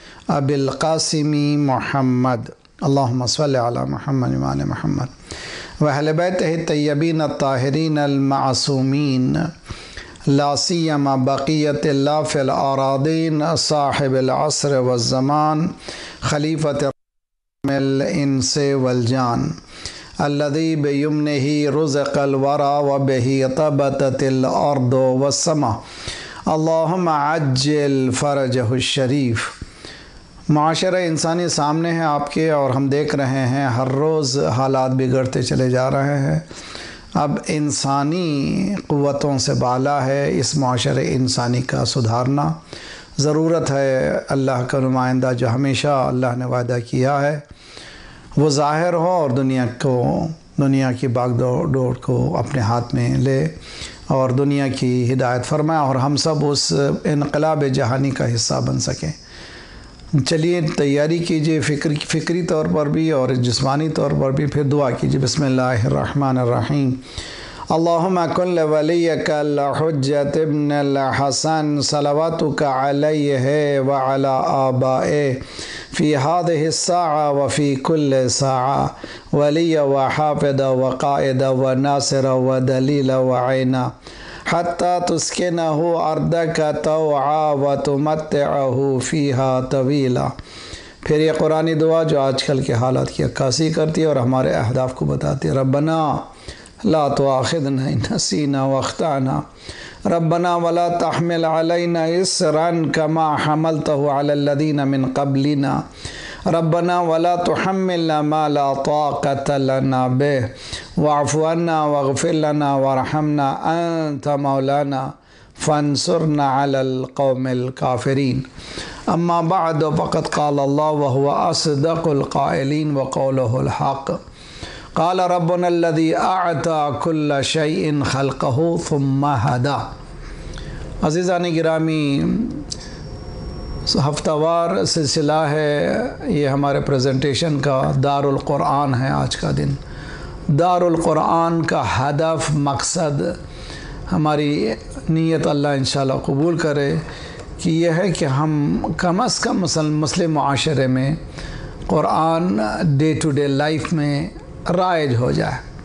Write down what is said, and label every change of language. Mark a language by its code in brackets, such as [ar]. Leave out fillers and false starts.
[ar] أبي القاسم محمد، اللهم صل على محمد وآل محمد وأهل بيته الطيبين الطاهرين المعصومين، لا سيما بقية الله في الأراضين، صاحب العصر والزمان، خليفة الإنس والجان، الذي بيمنه رزق الورى وبه طبتت الأرض والسماء، اللهم عجل فرجه الشريف. [ur] معاشر انسانی سامنے ہیں آپ کے، اور ہم دیکھ رہے ہیں ہر روز حالات بگڑتے چلے جا رہے ہیں. اب انسانی قوتوں سے بالا ہے اس معاشرے انسانی کا سدھارنا، ضرورت ہے اللہ کا نمائندہ جو ہمیشہ اللہ نے وعدہ کیا ہے وہ ظاہر ہو، اور دنیا کو، دنیا کی باغ ڈور کو اپنے ہاتھ میں لے اور دنیا کی ہدایت فرمائے، اور ہم سب اس انقلاب جہانی کا حصہ بن سکیں. چلیے تیاری کیجئے، فکری طور پر بھی اور جسمانی طور پر بھی، پھر دعا کیجئے. [ar] بسم اللہ الرحمن الرحیم. اللہم کن لولیک الحجت ابن الحسن صلواتک علیہ وعلى آبائے فی هذه الساعة وفی کل ساعة، ولی وحافظ وقائد وناصر ودلیل وعینا، حتى تسكنه أرضك طوعا وتمتعه فيها طويلا. [ur] پھر یہ قرآنی دعا جو آج کل کے حالات کی عکاسی کرتی ہے اور ہمارے اہداف کو بتاتی ہے. [ar] ربنا لا تؤاخذنا إن نسينا واخطأنا، ربنا ولا تحمل علينا إصرا كما حملته على الذين من قبلنا، ربنا ولا تحملنا ما لا طاقة لنا به، واعف عنا واغفر لنا وارحمنا، أنت مولانا فانصرنا على القوم الكافرين. أما بعد، فقد قال الله وهو أصدق القائلين وقوله الحق، قال ربنا الذي أعطى كل شيء خلقه ثم هدى. [ur] عزيزان گرامی، ہفتہ وار سلسلہ ہے یہ ہمارے پریزنٹیشن کا، دار القرآن ہے آج کا دن. دار القرآن کا ہدف، مقصد، ہماری نیت اللہ انشاءاللہ قبول کرے کہ یہ ہے کہ ہم کم از کم مسلم معاشرے میں قرآن [en] day to day life [ur] میں رائج ہو جائے.